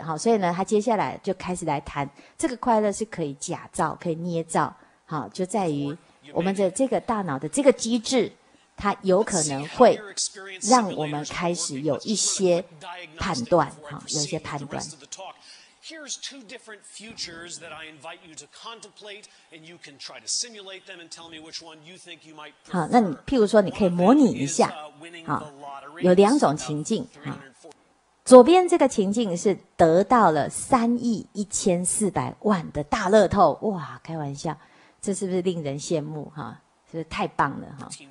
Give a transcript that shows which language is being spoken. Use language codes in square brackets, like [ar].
[zh] 好，所以呢他接下来就开始来谈这个快乐是可以假造可以捏造，好，就在于我们的这个大脑的这个机制，它有可能会让我们开始有一些判断，好，有一些判断。 [en] Here's two different futures that I invite you to contemplate, and you can try to simulate them and tell me which one you think you might prefer. [zh] 好，那你譬如说你可以模拟一下，好，有两种情境，好，左边这个情境是得到了3亿1400万的大乐透，哇，开玩笑，这是不是令人羡慕哈？是不是太棒了哈？